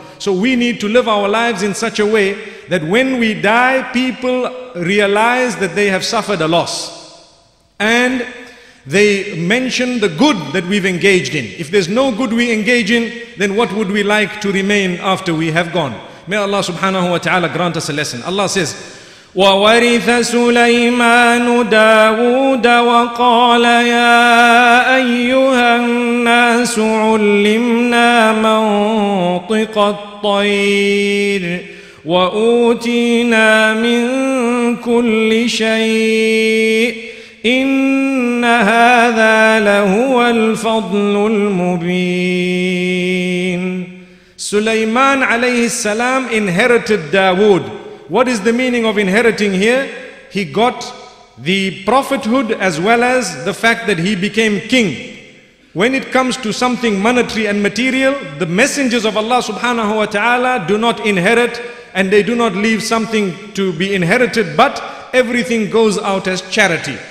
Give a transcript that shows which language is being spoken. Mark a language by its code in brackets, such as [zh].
[en] So we need to live our lives in such a way that when we die, people realize that they have suffered a loss. And they mention the good that we've engaged in. If there's no good we engage in, then what would we like to remain after we have gone? May Allah subhanahu wa ta'ala grant us a lesson. Allah says, [ar] وَوَرِثَ سُلَيْمَانُ دَاوُودَ وَقَالَ يَا أَيُّهَا النَّاسُ عُلِّمْنَا مَنْطِقَ الطَّيْرِ وَأُوْتِيْنَا مِنْ كُلِّ شَيْءٍ إِنَّ هَذَا لَهُوَ الْفَضْلُ الْمُبِينَ. [en] سليمان عليه السلام inherited داود. What is the meaning of inheriting here? He got the prophethood as well as the fact that he became king. When it comes to something monetary and material, the messengers of Allah subhanahu wa ta'ala do not inherit and they do not leave something to be inherited, but everything goes out as charity.